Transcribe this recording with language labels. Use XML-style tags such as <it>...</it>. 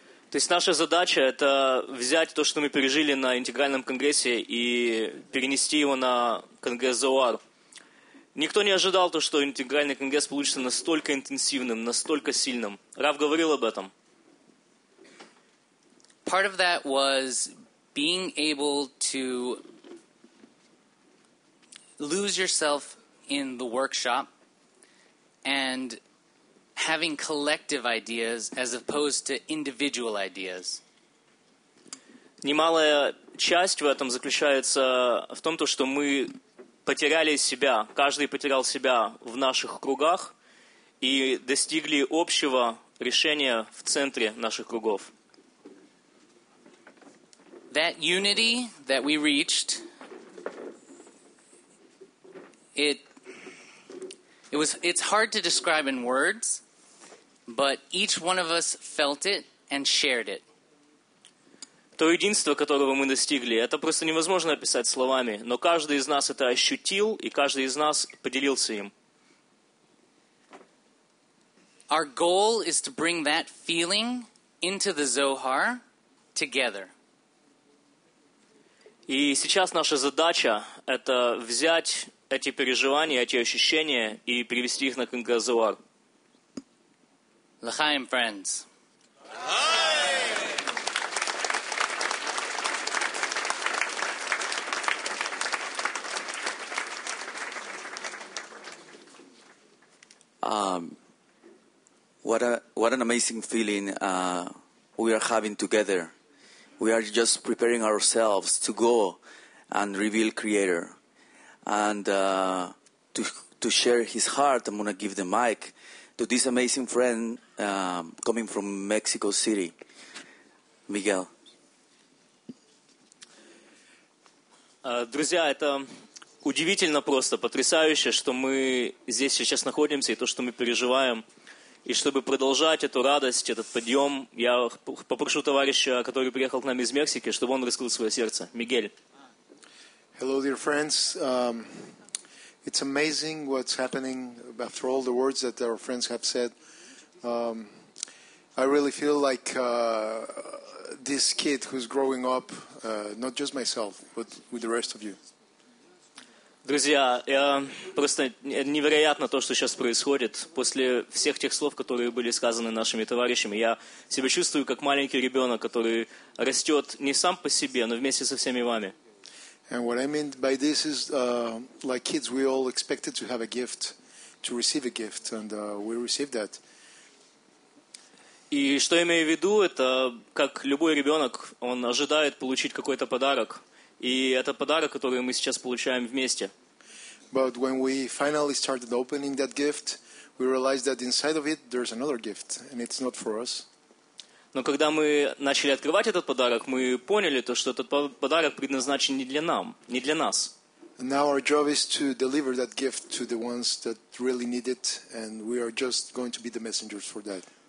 <ru>То есть наша задача — это взять то, что мы пережили на Интегральном Конгрессе, и перенести его на Конгресс ЗОАР. Никто не ожидал то, что Интегральный Конгресс получится настолько интенсивным, настолько сильным. Рав говорил об этом.</ru> <en>Part of that was... being able to lose yourself in the workshop and having collective ideas as opposed to individual ideas.</en> <ru>Немалая часть в этом заключается в том, что мы потеряли себя, каждый потерял себя в наших кругах и достигли общего решения в центре наших кругов.</ru> <en>That unity that we reached, it's hard to describe in words, but each one of us felt it and shared it.</en> <ru>То единство, которого мы достигли, это просто невозможно описать словами, но каждый из нас это ощутил, и каждый из нас поделился им.</ru> <en>Our goal is to bring that feeling into the Zohar together.</en> <ru>И сейчас наша задача — это взять эти переживания, эти ощущения и перевести их на книгу Зоар.</ru> <en>L'chaim, friends. What an amazing feeling we are having together. We are just preparing ourselves to go and reveal Creator and to share His heart. I'm going to give the mic to this amazing friend coming from Mexico City, Miguel.</en> <ru>Друзья, это удивительно просто, потрясающе, что мы здесь сейчас находимся и то, что мы переживаем. И чтобы продолжать эту радость, этот подъем, я попрошу товарища, который приехал к нам из Мексики, чтобы он раскрыл свое сердце. Мигель.</ru> <en>Hello, dear friends. It's amazing what's happening after all the words that our friends have said. I really feel like this kid who's growing up, not just myself, but with the rest of you.</en> <ru>Друзья, просто невероятно то, что сейчас происходит. После всех тех слов, которые были сказаны нашими товарищами, я себя чувствую как маленький ребенок, который растет не сам по себе, но вместе со всеми вами.</ru> <en>And what I mean by this is, like kids, we all expected to have a gift, to receive a gift, and we received that.</en> <ru>И что я имею в виду, это как любой ребенок, он ожидает получить какой-то подарок. И это подарок, который мы сейчас получаем вместе.</ru> <en>But when we finally started opening that gift, we realized that inside of it there's another gift, and it's not for us.</en> <ru>Но когда мы начали открывать этот подарок, мы поняли то, что этот подарок предназначен не для нам, не для нас.</ru> <en>And now our job is to deliver that gift to the ones that really need it, and we are just going to be the messengers for that.</en>